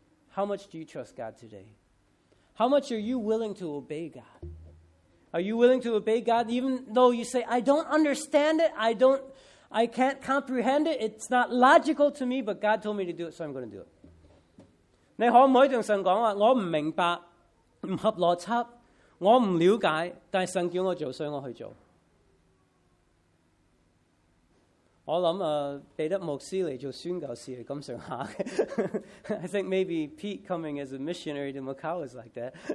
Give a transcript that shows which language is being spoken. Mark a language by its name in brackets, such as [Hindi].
[English] How much do you trust God today? How much are you willing to obey God? Are you willing to obey God even though you say, I don't understand it, I can't comprehend it, it's not logical to me, but God told me to do it, so I'm going to do it. [Chinese] 你可不可以跟神说，我不明白，不合逻辑。我不了解，但是神叫我做，所以我去做。我想彼得牧师来做宣教士是这么上下的。 [English] I think maybe Pete coming as a missionary to Macau is like that.